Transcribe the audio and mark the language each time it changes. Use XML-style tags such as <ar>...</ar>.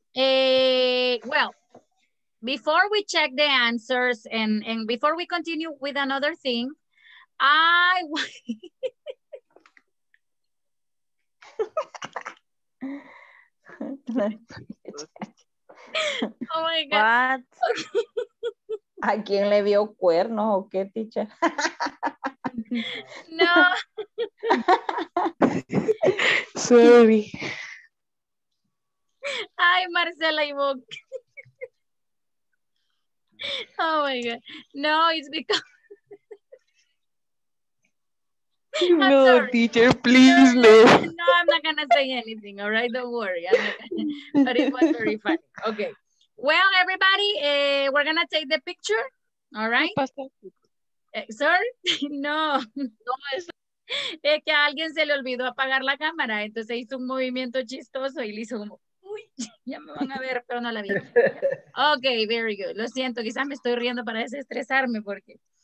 <en>Well, before we check the answers and before we continue with another thing, I oh my God. What?</en> <es>¿A quién le vio cuernos o qué, teacher?</es> <en>No. Sorry.</en> <es>Ay, Marcela y Bob.</es> <en>Oh my God. No, it's because. No, sorry. Teacher, please, no. No, I'm not going to say anything, all right? Don't worry. I'm not gonna... But it was very funny. Okay. Well, everybody, we're going to take the picture, all right? Sorry,</en> <es>no, no es. Es que a alguien se le olvidó apagar la cámara, entonces hizo un movimiento chistoso y le hizo como, uy, Uy, ya me van a ver, pero no la vi.</es> <en>Ok, very good.</en> <es>Lo siento, quizás me estoy riendo para desestresarme porque...</es>